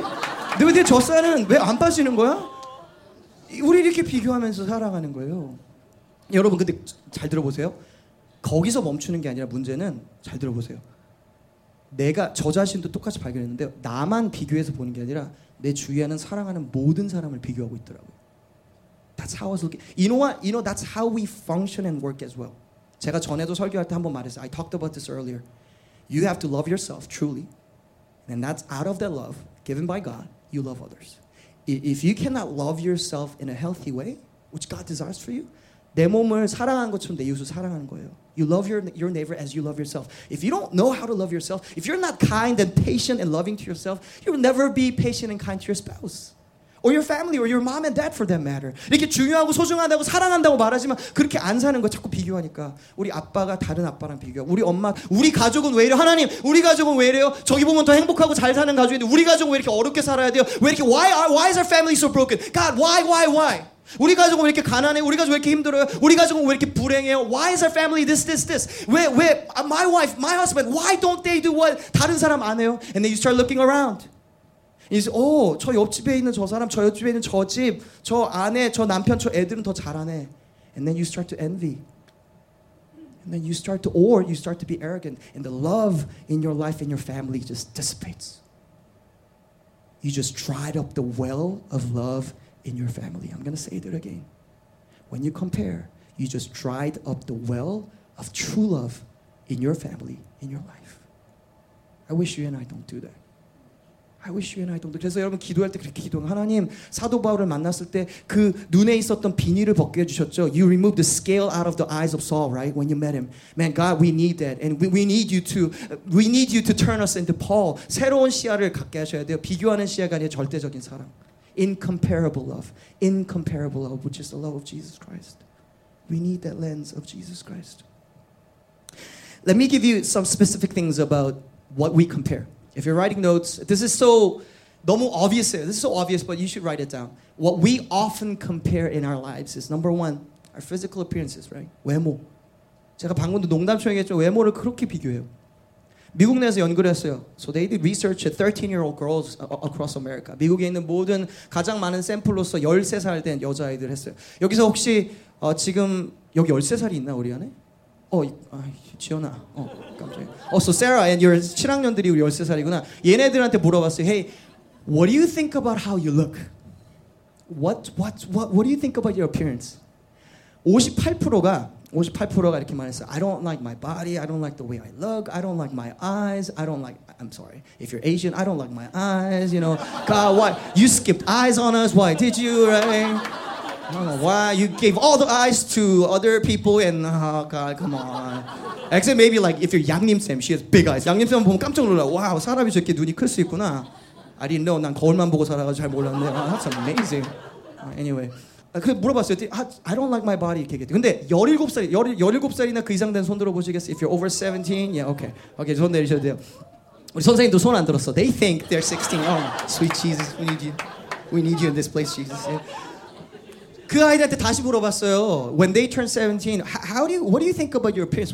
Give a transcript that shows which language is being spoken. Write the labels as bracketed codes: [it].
[ko] 근데 왜 내 젖살은 왜 안 빠지는 거야? 우리 이렇게 비교하면서 살아가는 거예요. 여러분 근데 잘 들어보세요. 거기서 멈추는 게 아니라 문제는 잘 들어보세요. 내가 저 자신도 똑같이 발견했는데 나만 비교해서 보는 게 아니라 내 주위에는 사랑하는 모든 사람을 비교하고 있더라고요. [en] That's how I was looking. You know what? You know that's how we function and work as well. [ko] 제가 전에도 설교할 때 한 번 말했어요. [en] I talked about this earlier. You have to love yourself truly, and that's out of that love given by God, you love others. If you cannot love yourself in a healthy way, which God desires for you, [ko] 내 몸을 사랑하는 것처럼 내 이웃을 사랑하는 거예요. [en] You love your neighbor as you love yourself. If you don't know how to love yourself, if you're not kind and patient and loving to yourself, you'll never be patient and kind to your spouse. Or your family, or your mom and dad for that matter. [ko] 이렇게 중요하고 소중하다고 사랑한다고 말하지만 그렇게 안 사는 거 자꾸 비교하니까 우리 아빠가 다른 아빠랑 비교하고 우리 엄마, 우리 가족은 왜 이래요? 하나님, 우리 가족은 왜 이래요? 저기 보면 더 행복하고 잘 사는 가족인데 우리 가족은 왜 이렇게 어렵게 살아야 돼요? 왜 이렇게 [en] why is our family so broken? God, why, why? [ko] 우리 가족은 왜 이렇게 가난해? 우리 가족은 왜 이렇게 힘들어요? 우리 가족은 왜 이렇게 불행해요? [en] Why is our family this? 왜 my wife, my husband, why don't they do what [ko] 다른 사람 안 해요? [en] And then you start looking around. [ko] 이제 저 옆집에 있는 저 사람, 저 옆집에 있는 저 집, 저 아내, 저 남편, 저 애들은 더 잘하네. [en] And then you start to envy. And then you start to, or you start to be arrogant. And the love in your life and your family just dissipates. You just dried up the well of love in your family. I'm going to say that again. When you compare, you just dried up the well of true love in your family, in your life. I wish you and I don't do that. I wish you and I don't. [ko] 그래서 여러분 기도할 때 그렇게 기도해요. 하나님 사도 바울을 만났을 때 그 눈에 있었던 비닐을 벗겨 주셨죠. [en] You removed the scale out of the eyes of Saul, right? When you met him. Man, God, we need that. And we need you to turn us into Paul. [ko] 새로운 시야를 갖게 하셔야 돼요. 비교하는 시야가 아니라 절대적인 사랑. [en] Incomparable love. Incomparable love, which is the love of Jesus Christ. We need that lens of Jesus Christ. Let me give you some specific things about what we compare. If you're writing notes, this is so 너무 obvious. This is so obvious, but you should write it down. What we often compare in our lives is number one, our physical appearances, right? [ko] 외모. 제가 방금도 농담처럼 얘기했죠. 외모를 그렇게 비교해요. 미국 내에서 연구를 했어요. [en] So they did research at 13-year-old girls across America. [ko] 미국에 있는 모든 가장 많은 샘플로서 13살 된 여자아이들 했어요. 여기서 혹시 지금 여기 13살이 있나 우리 안에? 지연아. 깜짝이야. [en] So Sarah and your [ko] 7학년들이 우리 13살이구나. 얘네들한테 물어봤어요. [en] Hey, what do you think about how you look? What do you think about your appearance? 58%가 [ko] 58%가 이렇게 말했어요. [en] I don't like my body. I don't like the way I look. I don't like my eyes. I don't like, I'm sorry. If you're Asian, I don't like my eyes. You know, God, why? You skipped eyes on us. Why did you, right? I don't know why. You gave all the eyes to other people and, oh, God, come on. Except maybe like if you're 양님쌤, she has big eyes. [ko] 양님쌤 보면 깜짝 놀라. Wow, 사람이 저렇게 눈이 클 수 있구나. [en] I didn't know. [ko] 난 거울만 보고 살아가지고 잘 몰랐네. [en] Oh, that's amazing. Anyway. [ko] 그래서 물어봤어요. [en] I don't like my body. [ko] 이렇게 얘기했대요. 근데 17살이나 그 이상 된 손 들어보시겠어요? [en] If you're over 17, yeah, okay. Okay, [ko] 손 내리셔도 돼요. 우리 선생님도 손 안 들었어. [en] They think they're 16. Oh, sweet Jesus, we need you. We need you in this place, Jesus. Yeah. [ko] 그 아이들한테 다시 물어봤어요. [en] When they turn 17, what do you think about your appearance?